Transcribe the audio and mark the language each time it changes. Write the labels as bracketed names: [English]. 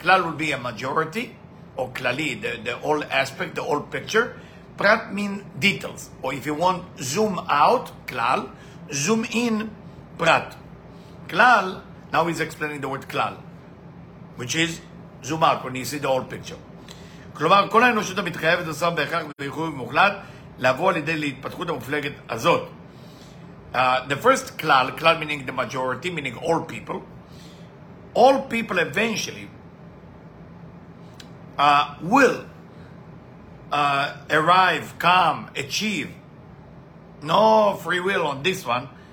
[English] כלל will be a majority, or כללי, the whole aspect, the whole picture. פרט mean details. Or if you want zoom out, כלל, zoom in, פרט. כלל, now he's explaining the word כלל, which is zoom out when you see the whole picture. [Hebrew] כלומר, כל האנושות המתחייבת עושה בהכרח ובאיחור מוחלט לבוא על ידי להתפתחות המופלגת הזאת. [English] The first klal, klal meaning the majority, meaning all people eventually will arrive, come, achieve. No free will on this one.